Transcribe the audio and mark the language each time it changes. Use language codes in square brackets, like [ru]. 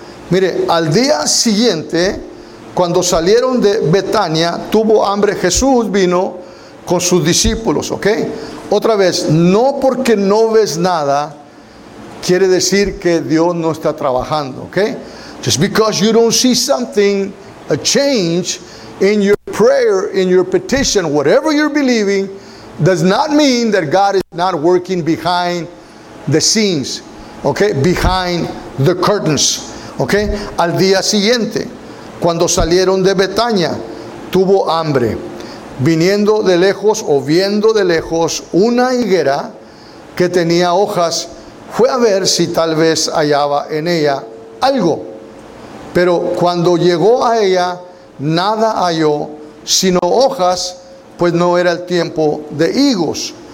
[es] Mire, al día siguiente, cuando salieron de Betania, tuvo hambre. Jesús vino con sus discípulos, ¿ok? Otra vez, no porque no ves nada, quiere decir que Dios no está trabajando, ¿ok? [en] Just because you don't see something, a change in your prayer, in your petition, whatever you're believing, does not mean that God is not working behind the scenes, okay? Behind the curtains, okay? [es] Al día siguiente, cuando salieron de Betania, tuvo hambre. Viniendo de lejos o viendo de lejos una higuera que tenía hojas, fue a ver si tal vez hallaba en ella algo. Pero cuando llegó a ella, nada halló, sino hojas, pues no era el tiempo de higos.